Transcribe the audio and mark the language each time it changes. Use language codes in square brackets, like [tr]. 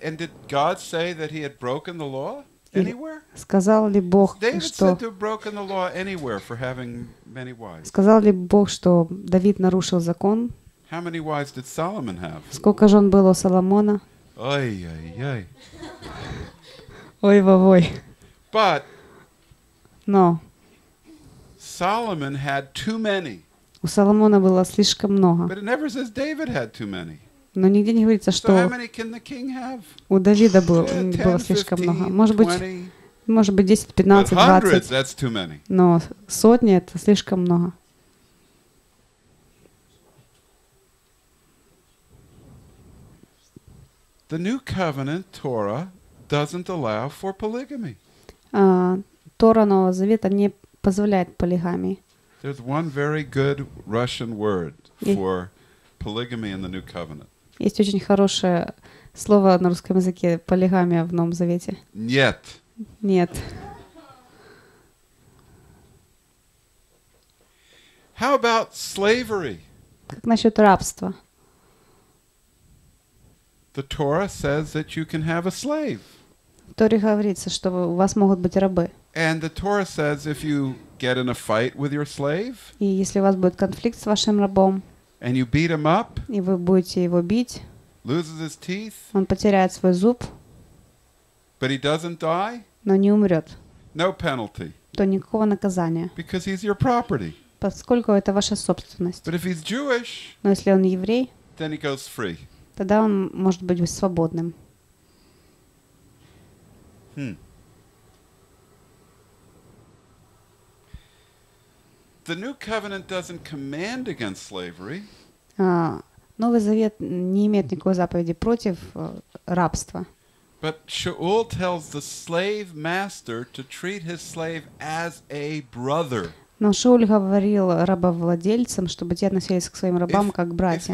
[en] And did God say that he had broken the law anywhere? [ru] Сказал ли Бог, что [en] David said to have broken the law anywhere for having many wives? [ru] Сказал ли Бог, что Давид нарушил закон? [en] How many wives did Solomon have? [ru] Сколько жен было у Соломона? Ой, ой, ой. Ой, вовой. [en] But. [ru] Но. [en] Solomon had too many. [ru] У Соломона было слишком много. Но нигде не говорится, что у Давида было слишком много. Может быть 10, 15, 20. Но сотни — это слишком много. [en] The new covenant Torah doesn't allow for polygamy. [ru] Тора Нового Завета не позволяет полигамии. [en] There's one very good Russian word for polygamy in the New Covenant. [ru] Есть очень хорошее слово на русском языке — полигамия в Новом Завете. Нет. Нет. [en] How about slavery? [ru] Как насчет рабства? [en] The Torah says that you can have a slave. [ru] В Торе говорится, что у вас могут быть рабы. [en] And the Torah says if you get in a fight with your slave, [ru] и если у вас будет конфликт с вашим рабом, [en] and you beat him up, [ru] и вы будете его бить, [en] loses his teeth, [ru] он потеряет свой зуб, [en] but he doesn't die, [ru] но не умрет, [en] no penalty, [ru] то никакого наказания, [en] because he's your property, [ru] поскольку это ваша собственность. [en] But if he's Jewish, [ru] но если он еврей, [en] then he goes free, [ru] тогда он может быть свободным. [en] The New Covenant doesn't command against slavery. [ru] Новый Завет не имеет никакой заповеди против рабства. [en] But Shaul tells the slave master to treat his slave as a brother. [ru] Но Шауль говорил рабовладельцам, чтобы те относились к своим рабам как к братьям.